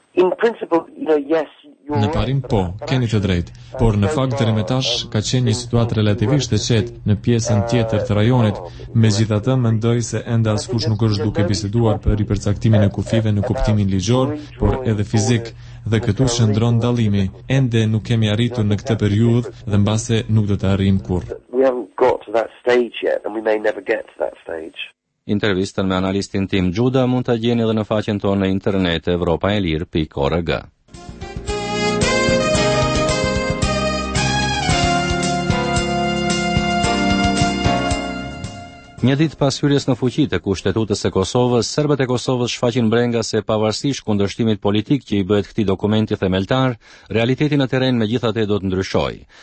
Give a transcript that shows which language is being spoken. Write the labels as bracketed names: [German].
[Albanian] Në parim po, keni të drejtë, por në fakt deri më tash ka qenë një situatë relativisht e qetë në pjesën tjetër të rajonit. Megjithatë, mendoj se ende askush nuk është duke biseduar për ripërcaktimin e kufive në kuptimin ligjor, por edhe fizik. Dhe këtu shëndron dallimi, ende nuk kemi arritur në këtë periudhë dhe mbase nuk do të arrijmë kurrë. [English] We haven't got to that stage yet and we may never get to that stage. [Albanian] Intervistën me analistin Tim Gjuda mund ta gjeni edhe në faqen tonë në internet europaelir.org. Një ditë pas hyrjes në fuqi të kushtetutës së Kosovës, serbët e Kosovës shfaqin brenga se pavarësisht kundërshtimit politik që i bëhet këtij dokumenti themeltar, realiteti në terren megjithatë do të ndryshojë.